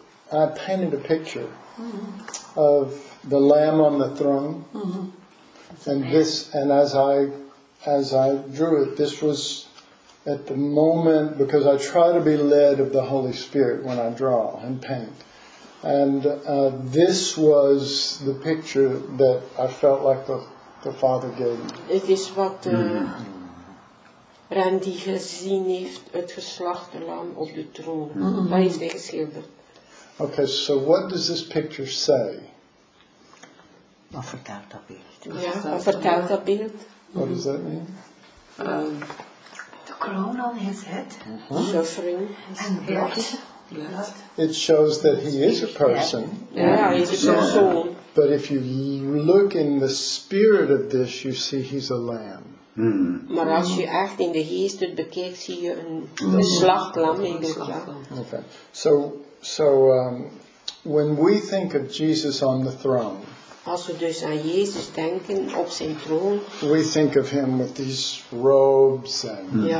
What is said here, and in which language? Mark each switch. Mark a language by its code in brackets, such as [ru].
[en] I painted a picture of the Lamb on the throne, and this, and as I drew it, this was at the moment, because I try to be led of the Holy Spirit when I draw and paint. And this was the picture that I felt like the Father gave me. [nl] Het is wat Randy gezien heeft, het geslachte lam op de troon. Dat heeft hij geschilderd. [en] Okay, so what does this picture say? [nl] Wat vertelt dat beeld? Ja, wat vertelt dat beeld? [en] What does that mean? The crown on his head. Suffering. And blood. It shows that he is a person. Yeah, he's a soul. But if you look in the spirit of this, you see he's a lamb. [nl] Maar als je echt in de geest het bekijkt, zie je een slachtlam. [en] Okay. So when we think of Jesus on the throne, [nl] als we dus aan Jezus denken op zijn troon, [en] we think of him with these robes and